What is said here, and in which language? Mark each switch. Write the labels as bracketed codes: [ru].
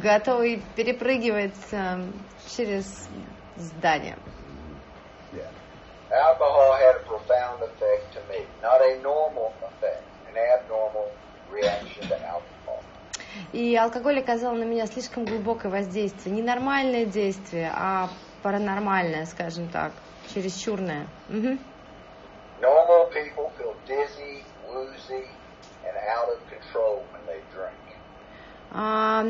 [ru] Готовый перепрыгивать через здания. [en] Yeah. Alcohol had a profound effect to me. Not a normal effect, an abnormal reaction to alcohol. [ru] И алкоголь оказал на меня слишком глубокое воздействие. Не нормальное действие, а паранормальное, скажем так, чересчурное. [en] Normal people feel dizzy, woozy, and out of control when they drink.